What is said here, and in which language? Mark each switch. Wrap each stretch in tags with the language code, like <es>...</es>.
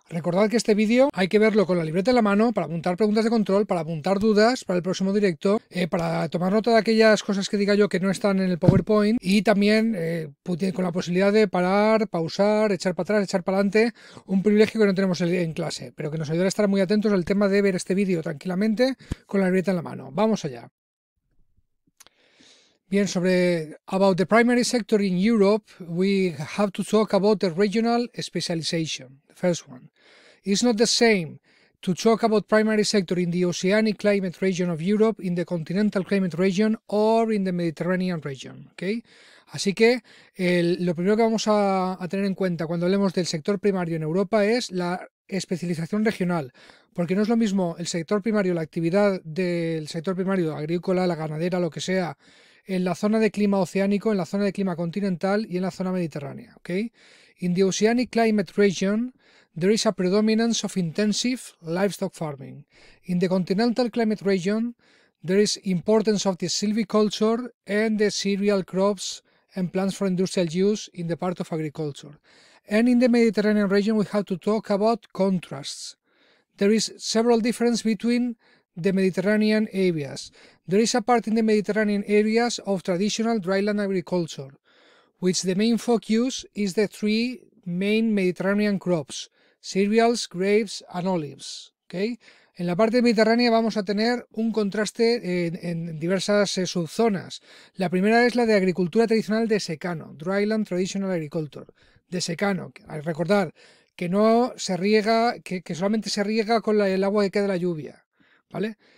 <es>Recordad que este vídeo hay que verlo con la libreta en la mano para apuntar preguntas de control, para apuntar dudas para el próximo directo, para tomar nota de aquellas cosas que diga yo que no están en el PowerPoint y también con la posibilidad de parar, pausar, echar para atrás, echar para adelante, un privilegio que no tenemos en clase, pero que nos ayudará a estar muy atentos al tema de ver este vídeo tranquilamente con la libreta en la mano. Vamos allá. Bien, sobre</es> <en>about the primary sector in Europe, we have to talk about the regional specialization, the first one. It's not the same to talk about primary sector in the oceanic climate region of Europe, in the continental climate region or in the Mediterranean region. Okay?</en> <es>Así que lo primero que vamos a tener en cuenta cuando hablemos del sector primario en Europa es la especialización regional, porque no es lo mismo el sector primario, la actividad del sector primario, agrícola, la ganadera, lo que sea, en la zona de clima oceánico, en la zona de clima continental y en la zona mediterránea.</es> <en>Okay? In the oceanic climate region, there is a predominance of intensive livestock farming. In the continental climate region, there is importance of the silviculture and the cereal crops and plants for industrial use in the part of agriculture. And in the Mediterranean region, we have to talk about contrasts. There is several difference between the Mediterranean areas. There is a part in the Mediterranean areas of traditional dryland agriculture, which the main focus is the three main Mediterranean crops, cereals, grapes and olives. Okay?</en> <es>En la parte mediterránea vamos a tener un contraste en diversas subzonas. La primera es la de agricultura tradicional de secano,</es> <en>dryland traditional agriculture,</en> <es>de secano, al recordar que no se riega, que solamente se riega con el agua que queda de la lluvia. ¿Vale?</es>